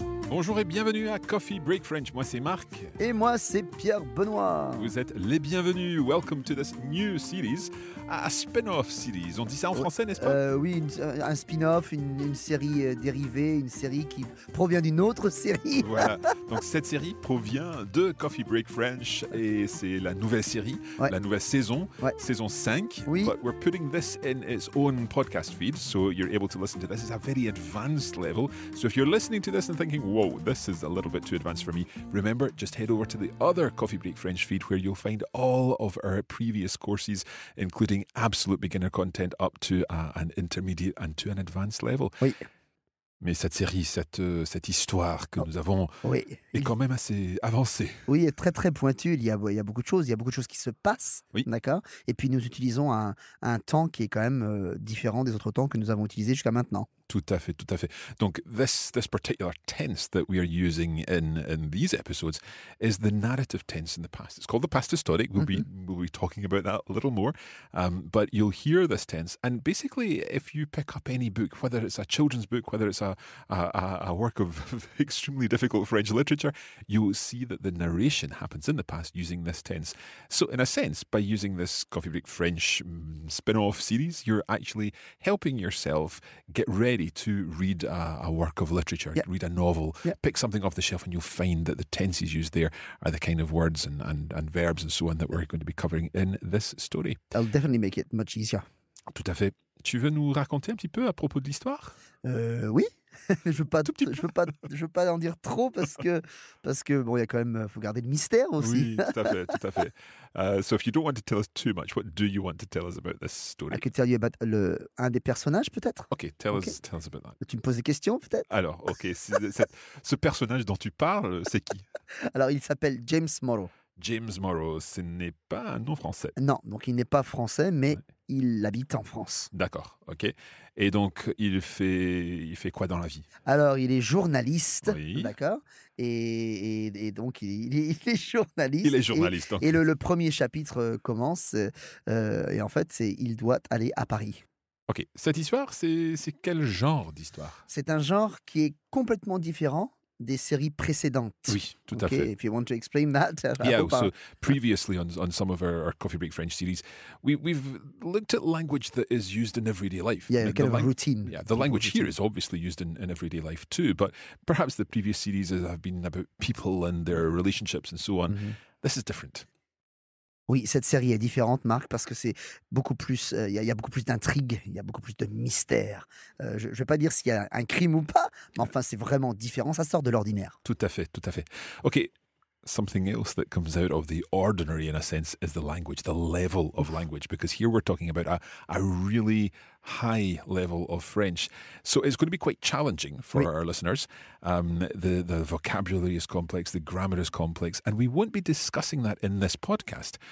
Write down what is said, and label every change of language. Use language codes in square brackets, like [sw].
[fr] Bonjour et bienvenue à Coffee Break French. Moi, c'est Marc. Et moi, c'est Pierre Benoît. Vous êtes les bienvenus. [en] Welcome to this new series, a spin-off series. [fr] On dit ça en français, n'est-ce pas? Oui, un spin-off, une série dérivée, une série qui provient d'une autre série. Voilà. Donc, cette série provient de Coffee Break French et c'est la nouvelle série, ouais. La nouvelle saison, ouais. Saison 5. Oui. [en] But we're putting this in its own podcast feed, so you're able to listen to this. It's a very advanced level. So if you're listening to this and thinking, whoa, this is a little bit too advanced for me. Remember, just head over to the other Coffee Break French feed where you'll find all of our previous courses, including absolute beginner content up to an intermediate and to an advanced level. [fr] Oui. Mais cette série, cette histoire que nous avons oui. est quand même assez avancée. Oui, est très très pointue. Il y a beaucoup de choses. Il y a beaucoup de choses qui se passent. Oui. D'accord. Et puis nous utilisons un temps qui est quand même différent des autres temps que nous avons utilisés jusqu'à maintenant. Tout à fait, tout à fait. [en] Donc, this particular tense that we are using in these episodes is the narrative tense in the past. It's called the past historic. We'll be talking about that a little more. But you'll hear this tense. And basically, if you pick up any book, whether it's a children's book, whether it's a work of extremely difficult French literature, you will see that the narration happens in the past using this tense. So, in a sense, by using this Coffee Break French spin-off series, you're actually helping yourself get ready to read a work of literature, yeah. read a novel, yeah. pick something off the shelf, and you'll find that the tenses used there are the kind of words and verbs and so on that we're going to be covering in this story. That'll definitely make it much easier. [fr] Tout à fait. Tu veux nous raconter un petit peu à propos de l'histoire? Oui. je veux pas en dire trop parce que bon, il y a quand même, faut garder le mystère aussi. Oui, tout à fait, tout à fait. [en] So if you don't want to tell us too much, what do you want to tell us about this story? I could tell you about [fr] un des personnages peut-être. [en] Okay, tell us about that. [fr] Tu me poses des questions peut-être. Alors, okay, ce personnage dont tu parles, c'est qui? Alors, il s'appelle James Morrow. James Morrow, ce n'est pas un nom français. Non, donc il n'est pas français, mais ouais. il habite en France. D'accord, ok. Et donc, il fait quoi dans la vie? Alors, il est journaliste, oui. d'accord. Et donc, il est journaliste. Il est journaliste. Et le premier chapitre commence, et en fait, il doit aller à Paris. Ok, cette histoire, c'est quel genre d'histoire? C'est un genre qui est complètement différent des séries précédentes. Oui, tout [en] okay, [fr] à fait. [en] If you want to explain that. Yeah, so previously on some of our Coffee Break French series, we've looked at language that is used in everyday life. Yeah, like kind of a routine. Yeah, the language routine. Here is obviously used in everyday life too, but perhaps the previous series have been about people and their relationships and so on. Mm-hmm. This is different. [fr] Oui, cette série est différente, Marc, parce que c'est beaucoup plus. Il y a beaucoup plus d'intrigue, il y a beaucoup plus de mystère. Je ne vais pas dire s'il y a un crime ou pas, mais enfin, c'est vraiment différent. Ça sort de l'ordinaire. Tout à fait, tout à fait. OK. [en] Something else that comes out of the ordinary, in a sense, is the language, the level of language, because here we're talking about a really high level of French. So it's going to be quite challenging for oui. our listeners. The vocabulary is complex, the grammar is complex, and we won't be discussing that in this podcast.